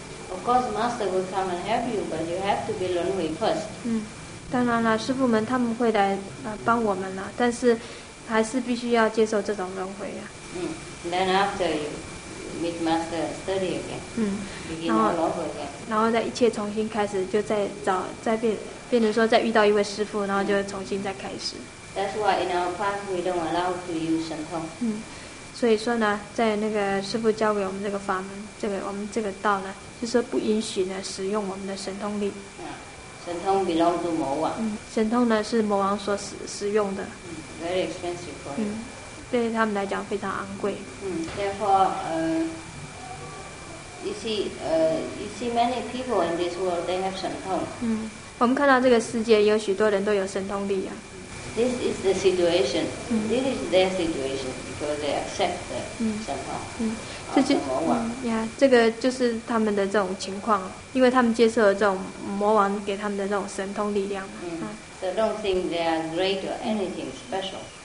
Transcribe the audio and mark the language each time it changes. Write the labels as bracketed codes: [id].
[en] Of course, master will come and help you, but you have to be 轮回 first. [zh] 当然了，师父们他们会来帮我们了，但是。还是必须要接受这种轮回呀。 [en] Then after you meet master, study again. [zh] 然后再一切重新开始，就再找，再变，变成说再遇到一位师父，然后就重新再开始。 [en] That's why in our path we don't allow to use 神通。 [zh] 所以说呢，在那个师父教给我们这个法门，这个我们这个道呢，就是不允许呢使用我们的神通力。 [en] 神通 belong to 魔王。 [zh] 神通呢是魔王所使用的。 [en] Very expensive for you. [zh] 对他们来讲非常昂贵。 [en] Therefore, you see many people in this world, they have 神通。 [zh] 我们看到这个世界有许多人都有神通力。 [en] This is the situation. This is their situation because they accept the 神通。 [zh] 这就是他们的这种情况，因为他们接受了这种魔王给他们的这种神通力量。 [en] So don't think they are great or anything special.